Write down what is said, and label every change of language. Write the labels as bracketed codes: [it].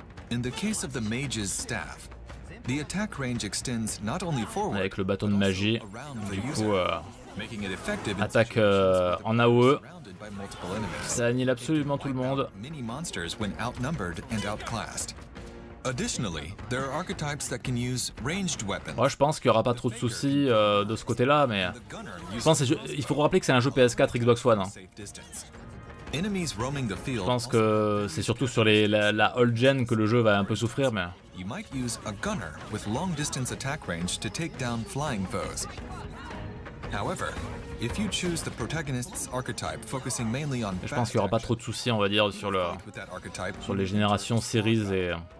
[en] In the case of the mage's staff, the attack range extends not only forward. [fr] Avec le bâton de magie, du coup, attaque en AOE. Ça annihile absolument tout le monde. [en] Many monsters when outnumbered and outclassed. Additionally, there are archetypes that can use ranged weapons. [fr] Ouais, je pense qu'il n'y aura pas trop de soucis de ce côté-là, mais je pense qu'il faut rappeler que c'est un jeu PS4 Xbox One. Hein. Je pense que c'est surtout sur la old gen que le jeu va un peu souffrir, mais. [en] You might use a gunner with long distance attack range to take down flying foes. However, if you choose the protagonist's archetype focusing mainly on. [fr] Je pense qu'il n'y aura pas trop de soucis, on va dire, sur les générations series et.